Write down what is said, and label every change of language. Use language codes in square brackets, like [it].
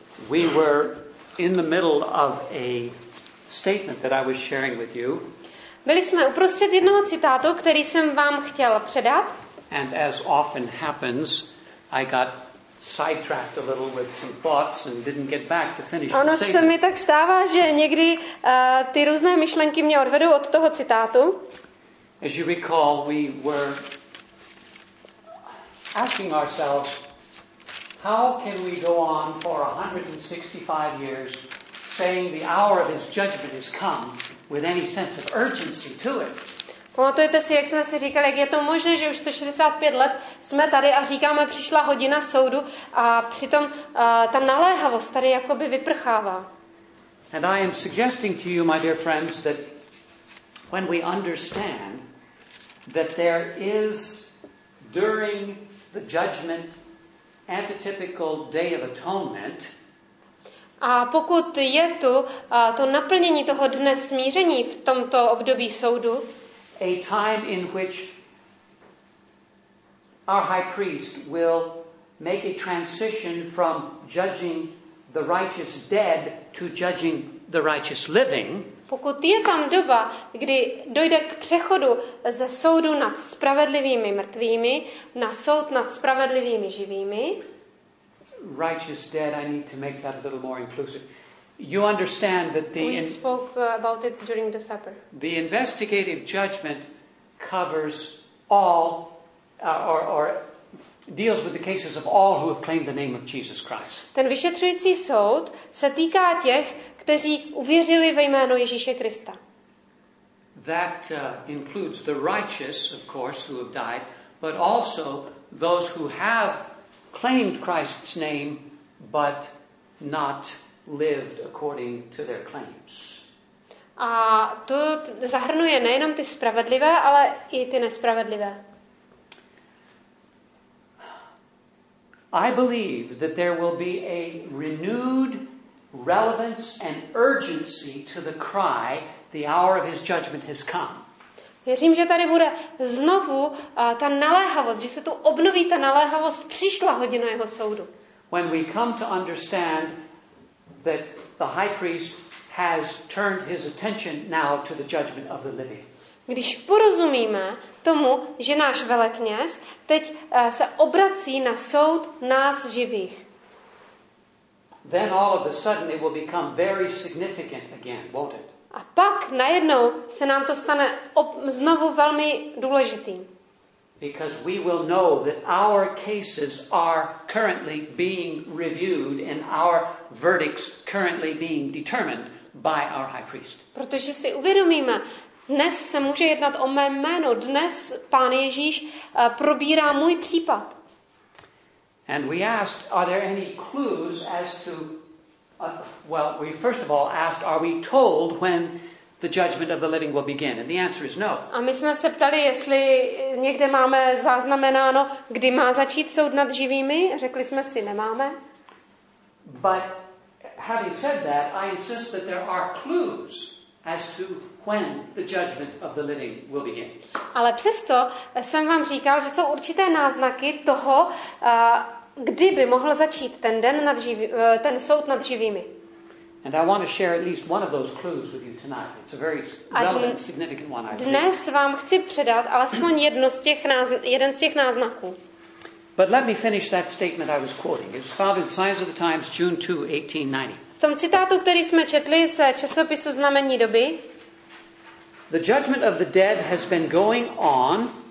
[en] We were in the middle of a statement that I was sharing with you. [cs] Byli jsme uprostřed jednoho citátu, který jsem vám chtěl předat. [en] And as often happens, I got sidetracked a little with some thoughts and didn't get back to finish. [cs] Ono se mi tak stává, že někdy ty různé myšlenky mě odvedou od toho citátu. [en] As you recall, we were asking ourselves, how can we go on for 165 years saying the hour of his judgment has come with any sense of urgency to it? [cs] Pamatujete si, jak jsme si říkali, jak je to možné, že už 165 let jsme tady a říkáme, přišla hodina soudu a přitom ta naléhavost tady jakoby vyprchává. [en] And I am suggesting to you, my dear friends, that when we understand that there is during the judgment antitypical day of atonement. [cs] A pokud je tu to naplnění toho dne smíření v tomto období soudu, [en] a time in which our high priest will make a transition from judging the righteous dead to judging the righteous living. [cs] Pokud je tam doba, kdy dojde k přechodu ze soudu nad spravedlivými mrtvými na soud nad spravedlivými živými. [en] Righteous dead, I need to make that a little more inclusive. You understand that the we spoke about it during the supper. The investigative judgment covers all or deals with the cases of all who have claimed the name of Jesus Christ. [cs] Ten vyšetřující soud se týká těch, kteří uvěřili ve jméno Ježíše Krista. [en] That includes the righteous, of course, who have died, but also those who have claimed Christ's name but not lived according to their claims. [cs] A to zahrnuje nejenom ty spravedlivé, ale i ty nespravedlivé. [en] I believe that there will be a renewed relevance and urgency to the cry, the hour of his judgment has come. [cs] Věřím, že tady bude znovu ta naléhavost, že se tu obnoví ta naléhavost, přišla hodina jeho soudu. [en] When we come to understand that the high priest has turned his attention now to the judgment of the living. [cs] Když porozumíme tomu, že náš velekněz teď se obrací na soud nás živých. [en] Then all of a sudden it will become very significant again, won't it? [cs] A pak najednou se nám to stane znovu velmi důležitým. [en] Because we will know that our cases are currently being reviewed and our verdicts currently being determined by our high priest. [cs] Protože si uvědomíme, dnes se může jednat o mé jméno, dnes Pán Ježíš probírá můj případ. [en] And we asked, are there any clues as to well, we first of all asked, are we told when the judgment of the living will begin? And the answer is no. [cs] A my jsme se ptali, jestli někde máme zaznamenáno, kdy má začít soud nad živými. Řekli jsme si, nemáme. [en] But having said that, I insist that there are clues as to when the judgment of the living will begin. [cs] Ale přesto jsem vám říkal, že jsou určité náznaky toho, kdy by mohl začít ten den nad ten soud nad živými. [en] And I want to share at least one of those clues with you tonight. It's a very relevant, significant one, I think. [cs] Dnes vám chci předat alespoň jeden z těch náznaků. [en] But let me finish that statement I was quoting. It's found in Signs of the Times, June 2, 1890. [cs] V tom citátu, který jsme četli z časopisu Znamení doby. [en] The judgment of the dead has been going on.